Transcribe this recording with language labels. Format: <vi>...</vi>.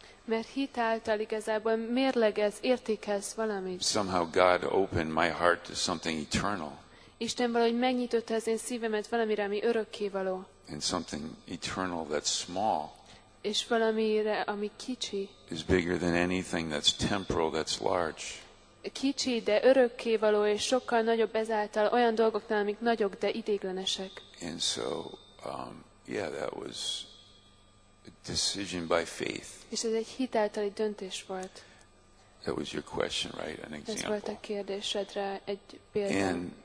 <hu>Mert hitáltal igazából mérlegez, értékelsz valamit.</hu> <en>Somehow God opened my heart to something eternal.</en> <hu>Isten valahogy megnyitotta az én szívemet valamire, ami örökkévaló.</hu> <en>And something eternal that's small.</en> <hu>És valamire, ami kicsi.</hu> <en>Is bigger than anything that's temporal, that's large.</en> <hu>kicsi, de örökké való, és sokkal nagyobb ezáltal olyan dolgoknál, amik nagyok, de idéglenesek.</hu> <en>And so, yeah, that was a decision by faith.</en> <hu>És ez egy hitáltali döntés volt.</hu> <en>That was your question, right? An example.</en> <hu>Ez volt a kérdésedre egy példa.</hu>